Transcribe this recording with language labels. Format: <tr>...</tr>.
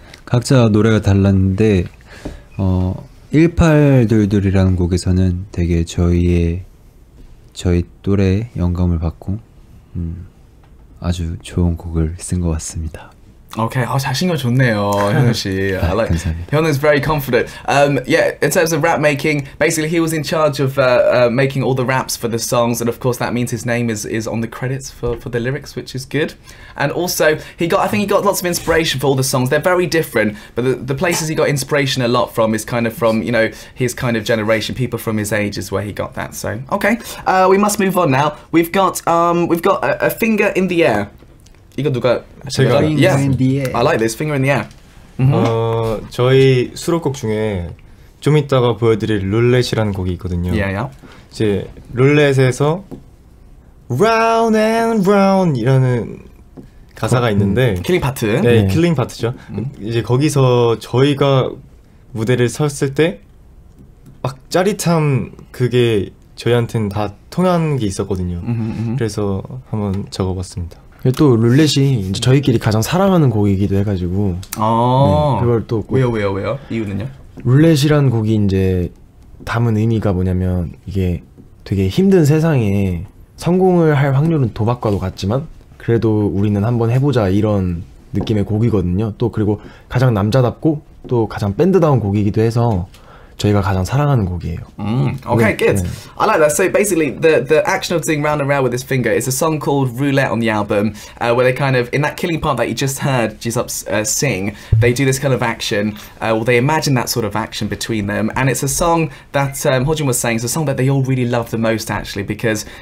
<ko>각자 노래가 달랐는데 1822이라는 곡에서는 되게 저희 또래의 영감을 받고 아주 좋은 곡을 쓴 것 같습니다. 오케이,</ko> <en>okay.</en> <ko>자신감 좋네요, 현우 씨. 아,</ko> <en>like,</en> <ko>감사합니다.</ko> <en>현우 is very confident. Yeah, in terms of rap making, basically he was in charge of making all the raps for the songs, and of course that means his name is on the credits for the lyrics, which is good. And also, I think he got lots of inspiration for all the songs. They're very different, but the places he got inspiration a lot from is kind of from, you know, his kind of generation. People from his age is where he got that. So, okay, we must move on now. We've got a finger in the air.</en> <ko>이거 누가 제가</ko> <en>yeah. I like this finger in the air. Mm-hmm.</en> <ko>저희 수록곡 중에 좀 이따가 보여드릴 룰렛이라는 곡이 있거든요.</ko> <en>Yeah, yeah.</en> <ko>이제 룰렛에서</ko> <en>round and round</en> <ko>이라는 가사가 있는데 킬링 파트. 네, 킬링 파트죠. 이제 거기서 저희가 무대를 섰을 때 막 짜릿함 그게 저희한테는 다 통한 게 있었거든요. 그래서 한번 적어봤습니다. 또 룰렛이 이제 저희끼리 가장 사랑하는 곡이기도 해가지고. 아, 네, 그걸 또 왜요 왜요 왜요? 이유는요? 룰렛이라는 곡이 이제 담은 의미가 뭐냐면 이게 되게 힘든 세상에 성공을 할 확률은 도박과도 같지만 그래도 우리는 한번 해보자 이런 느낌의 곡이거든요. 또 그리고 가장 남자답고 또 가장 밴드다운 곡이기도 해서 저희가 가장 사랑하는 곡이에요.</ko> <en>Okay,</en> <ko>네,</ko> <en>good. 네. I like that. So basically, the action of doing round and round with his finger is a song called Roulette on the album, where they kind of, in that killing part that you just heard Jisup's sing, they do this kind of action, well, they imagine that sort of action between them, and it's a song that, Hojin was saying, it's a song that they all really love the most, actually, because</en>